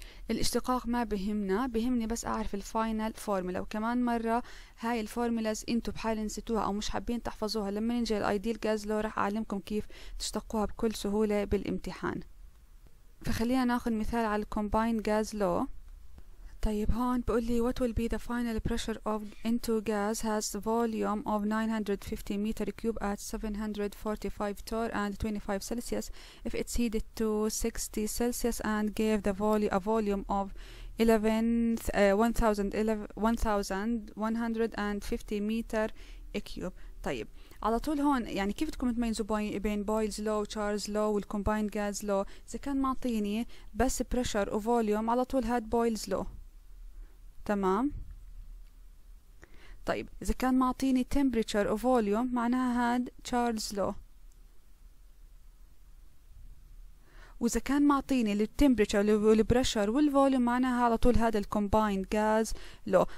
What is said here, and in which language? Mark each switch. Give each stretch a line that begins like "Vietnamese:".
Arabic: الاشتقاق ما بهمنا، بهمني بس اعرف الفاينل فورمولا. وكمان مره هاي الفورمولاز انتم بحال نسيتوها او مش حابين تحفظوها، لما نجي الايديال جاز لو راح اعلمكم كيف تشتقوها بكل سهوله بالامتحان. فخلينا ناخذ مثال على الكومبايند جاز لو. طيب هون بقول لي
English: what will be the final pressure of into gas has volume of 950 meter cube at 745 torr and 25 celsius if it's heated to 60 celsius and gave the volume a volume of 1150 meter cube.
Arabic: طيب على طول هون يعني كيف بدكم تميزوا بين بويلز لو وتشارلز لو والكومبايند جاز لو؟ اذا كان معطيني بس بريشر وفوليوم على طول هاد بويلز لو، تمام. طيب اذا كان معطيني تمبريتشر او فوليوم معناها هاد تشارلز لو، واذا كان معطيني التمبريتشر والبريشر والفوليوم معناها على طول هذا الكومبايند جاز لو.